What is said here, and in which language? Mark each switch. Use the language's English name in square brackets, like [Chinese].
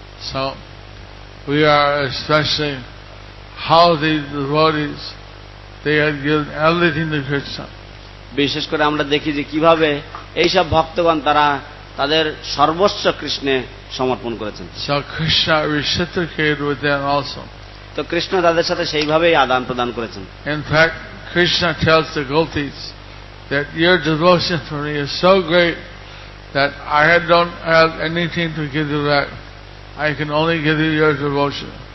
[English] So we are especially how these devotees, they have given everything to Krishna. [Bangla] বিশেষ করে আমরা দেখি যে কিভাবে এইসব ভক্তগণ তারা তাদের সর্বস্ব কৃষ্ণে সমর্পণ করেছেন। [English] So Krishna reciprocated with them also. [Bangla] তো কৃষ্ণ তাদের সাথে সেইভাবেই আদান প্রদান করেছেন। [English] In fact, Krishna tells the gopis that your devotion for me is so great that I don't have anything to give you back. I can only give you your devotion.